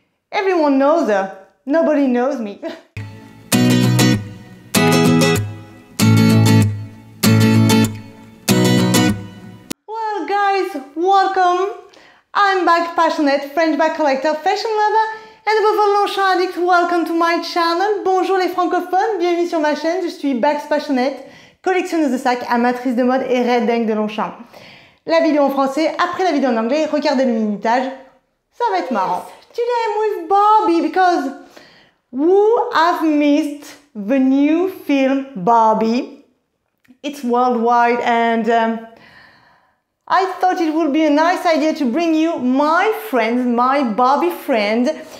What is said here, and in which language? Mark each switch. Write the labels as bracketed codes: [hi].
[en] Everyone knows her. Nobody knows me. Well, guys, welcome. I'm bag passionate, French bag collector, fashion lover, and above all, notion addict. Welcome to my channel. [fr] Bonjour les francophones, bienvenue sur ma chaîne. Je suis bags passionate. Collectionneuse de sacs, amatrice de mode et red dingue de Longchamp. La vidéo en français, après la vidéo en anglais, regardez le minutage, ça va être marrant. [en] Today I'm with Bobby because who have missed the new film Barbie? It's worldwide and I thought it would be a nice idea to bring you my friend, my Barbie friend.